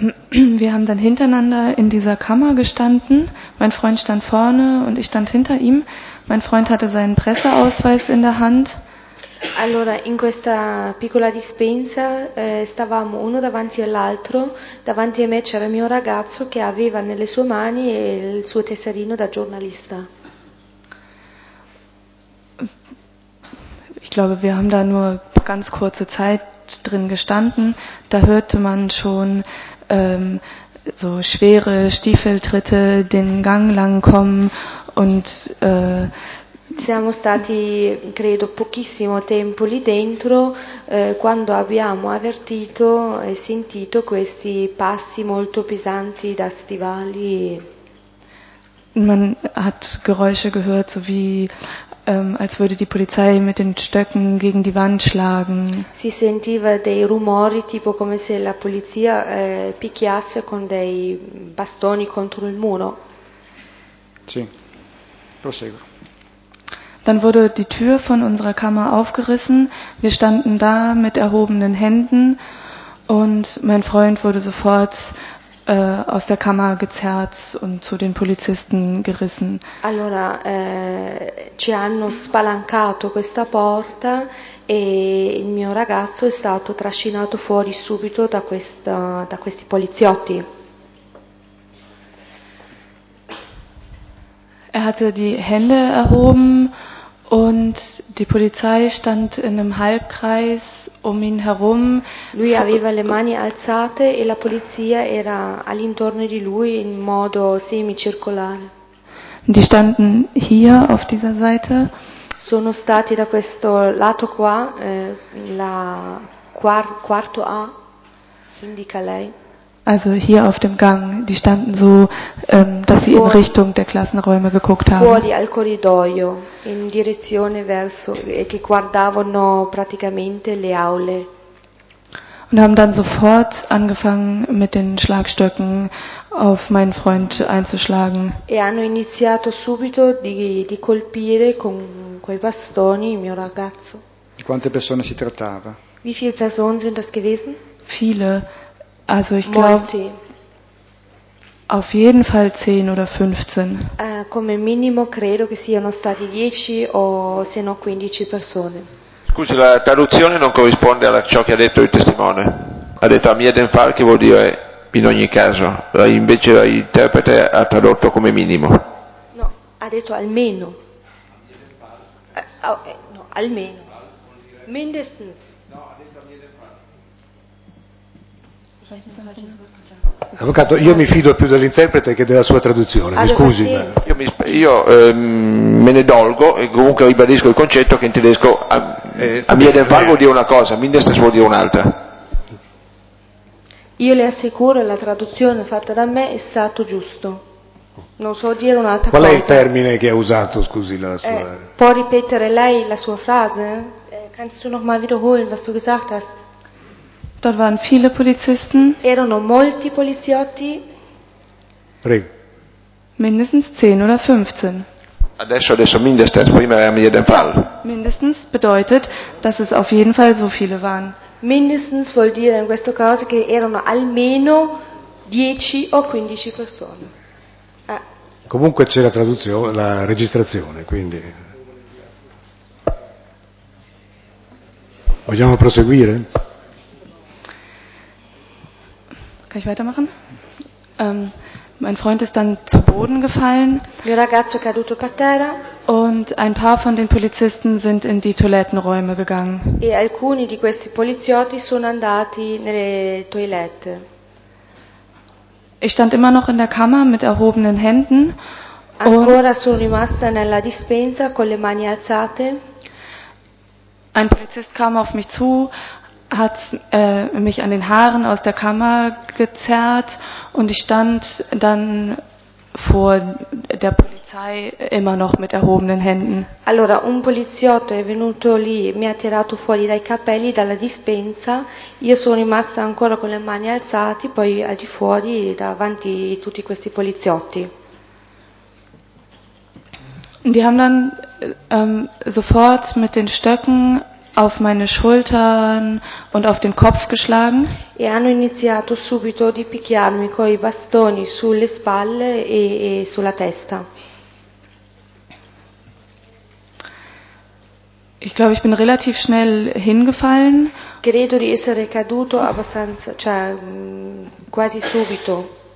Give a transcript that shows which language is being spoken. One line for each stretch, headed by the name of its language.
German: Wir haben dann hintereinander in dieser Kammer gestanden. Mein Freund stand vorne und ich stand hinter ihm. Mein Freund hatte seinen Presseausweis in der Hand.
Italian: Allora, in questa piccola dispensa stavamo uno davanti all'altro, davanti a me c'era il mio ragazzo che aveva nelle sue mani il suo tesserino da giornalista.
German: Ich glaube, wir haben da nur ganz kurze Zeit drin gestanden. Da hörte man schon so schwere Stiefeltritte den Gang lang kommen und
Italian: siamo stati, credo, pochissimo tempo lì dentro quando abbiamo avvertito e sentito questi passi molto pesanti da stivali.
German: Man hat Geräusche gehört, so wie als würde die Polizei mit den Stöcken gegen die Wand schlagen.
Italian: Si sentiva dei rumori tipo come se la polizia picchiasse con dei bastoni contro il muro. Sì. Prosegue.
German: Dann wurde die Tür von unserer Kammer aufgerissen. Wir standen da mit erhobenen Händen und mein Freund wurde sofort aus der Kammer gezerrt und zu den Polizisten gerissen.
Italian: Allora, ci hanno spalancato questa porta e il mio ragazzo è stato trascinato fuori subito da questi poliziotti.
German: Er hatte die Hände erhoben und die Polizei stand in einem Halbkreis um ihn herum.
Italian: Lui aveva le mani alzate e la polizia era all'intorno di lui in modo semicircolare.
German: Die standen hier auf dieser Seite.
Italian: Sono stati da questo lato qua, la quarto A, indica lei.
German: Also hier auf dem Gang, die standen so, dass sie in Richtung der Klassenräume geguckt haben.
Italian: Fuori al corridoio, in direzione verso, che guardavano praticamente le aule.
German: Und haben dann sofort angefangen, mit den Schlagstöcken auf meinen Freund einzuschlagen.
Italian: E hanno iniziato subito di colpire con quei bastoni il mio ragazzo. Di quante persone si trattava?
German: Wie viele Personen sind das gewesen? Viele. Also ich glaube, auf jeden Fall 10 oder 15.
Italian: Come minimo credo che siano stati 10 o se no 15 persone. Scusi, la traduzione non corrisponde a ciò che ha detto il testimone. Ha detto a mia denfar, che vuol dire in ogni caso. Invece l'interprete ha tradotto come minimo. No, ha detto almeno. No, almeno. Mindestens. Avvocato, io mi fido più dell'interprete che della sua traduzione, mi scusi. Ma... Io me ne dolgo e comunque ribadisco il concetto che in tedesco a mia del valgo dire una cosa, a mindestens vuol dire un'altra. Io le assicuro, la traduzione fatta da me è stato giusto. Non so dire un'altra Qual cosa. Qual è il termine che ha usato, scusi, la sua... Può ripetere lei la sua frase?
German: Kannst du nochmal wiederholen, was du gesagt hast? Dort waren viele Polizisten.
Italian: Erano molti poliziotti. Prego.
German: Mindestens 10 oder 15.
Italian: Adesso mindestens, prima erano
German: jeden Fall. Mindestens bedeutet, dass es auf jeden Fall so viele waren.
Italian: Mindestens vuol dire in questo caso che erano almeno 10 o 15 persone. Comunque c'è la traduzione, la registrazione, quindi. Vogliamo proseguire?
German: Ich weitermachen. Mein Freund ist dann zu Boden gefallen.
Italian: Il ragazzo è caduto per terra.
German: Und ein paar von den Polizisten sind in die Toilettenräume gegangen.
Italian: E alcuni di questi poliziotti sono andati nelle toilette.
German: Ich stand immer noch in der Kammer mit erhobenen Händen.
Italian: Ancora sono rimasta nella dispensa con le mani alzate.
German: Ein Polizist kam auf mich zu. Hat mich an den Haaren aus der Kammer gezerrt und ich stand dann vor der Polizei immer noch mit erhobenen Händen.
Italian: Allora, un poliziotto è venuto lì, mi ha tirato fuori dai capelli dalla dispensa. Io sono rimasta ancora con le mani alzate, poi al di fuori davanti tutti questi poliziotti.
German: Die haben dann sofort mit den Stöcken auf meine Schultern und auf den Kopf geschlagen.
Italian: E hanno iniziato subito di picchiarmi coi bastoni sulle spalle e sulla testa.
German: Ich glaube, ich bin relativ schnell hingefallen.
Italian: Credo di essere caduto abbastanza, cioè quasi subito.